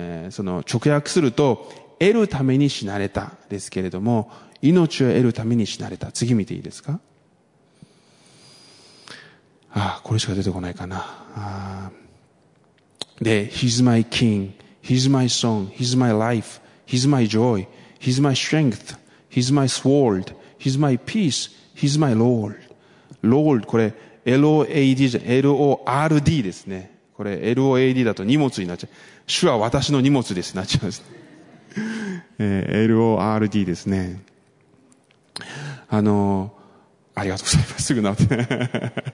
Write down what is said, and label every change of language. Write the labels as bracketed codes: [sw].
[ja] その直訳すると、得るために死なれたですけれども、命を得るために死なれた。次見ていいですか。あ、これしか出てこないかな。 [en] で、He's my king, He's my song, He's my life, He's my joy, He's my strength, He's my sword, He's my peace, He's my Lord. [ja] Lord、 これ LOAD じゃ、 LORD ですね。これ LOAD だと荷物になっちゃう。主は私の荷物です。なっちゃうんです、LORD ですね。ありがとうございます。すぐなって。